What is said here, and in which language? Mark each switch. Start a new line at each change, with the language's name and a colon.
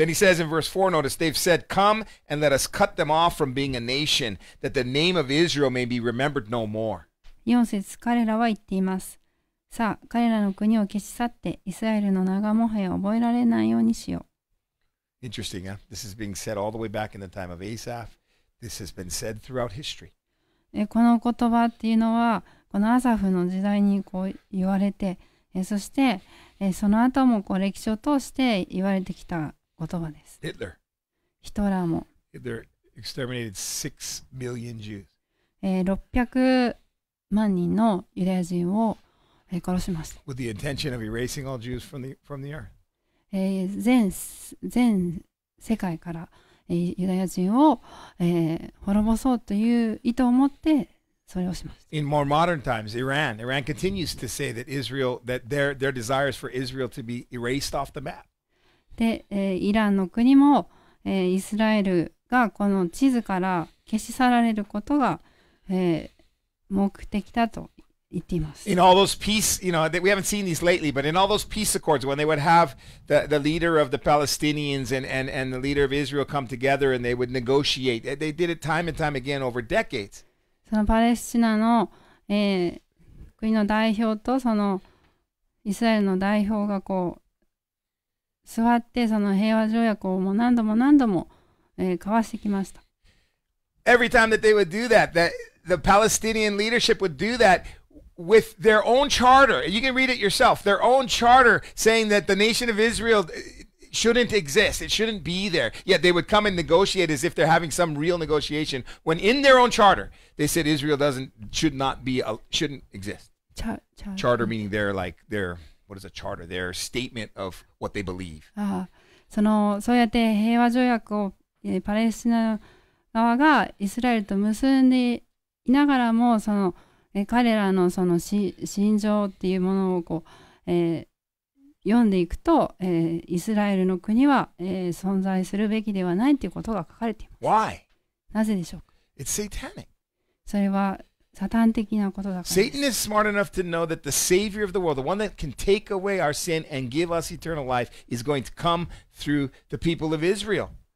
English: Then he says in verse 4, notice they've said, come and let us cut them off from being a nation, that the name of Israel may be remembered no more.
Japanese: 4節、彼らは言っています。さあ、彼らの国を消し去って、イスラエルの名がもはや覚えられないようにしよう。
English: Interesting, huh? This is being said all the way back in the time of Asaph. This has been said throughout history.
Japanese: この言葉っていうのは、このアサフの時代にこう言われて、そして、その後もこう歴史を通して言われてきた言葉です。
English: Hitler.
Japanese: ヒトラーも。
English: Hitler exterminated 6 million Jews.
Japanese: 600万人のユダヤ人を殺しました。
English: With the intention of erasing all Jews from the earth.
Japanese: 全世界からユダヤ人を滅ぼそうという意図を持ってそれをしました。
English: In more modern times, Iran continues to say that Israel, that their desires for Israel to be erased off the map.
Japanese: で、イランの国もイスラエルがこの地図から消し去られることが目的だと言っています。
English: In all those peace, you know, we haven't seen these lately, but in all those peace accords, when they would have the leader of the Palestinians and the leader of Israel come together and they would negotiate, they did it time and time again over decades.
Japanese: そのパレスチナの、国の代表とそのイスラエルの代表がこう座ってその平和条約をもう何度も何度も、交わしてきました。
English: Every time that they would do that. The Palestinian leadership would do that with their own charter. You can read it yourself. Their own charter saying that the nation of Israel shouldn't exist. It shouldn't be there. Yet they would come and negotiate as if they're having some real negotiation when in their own charter, they said Israel shouldn't exist. Charter meaning their, like, their, what is a charter? Their statement of what they believe.
Japanese: そうやって平和条約をパレスチナ側がイスラエルと結んでいながらもその彼らのその心情っていうものをこう、読んでいくと、イスラエルの国は、存在するべきではないっていうことが書かれています。
English: Why?
Japanese: なぜでしょうか?
English: It's satanic.
Japanese: それはサタン的なことだからです。
English: Satan is smart enough to know that the Savior of the world, the one that can take away our sin and give us eternal life, is going to come through the people of Israel.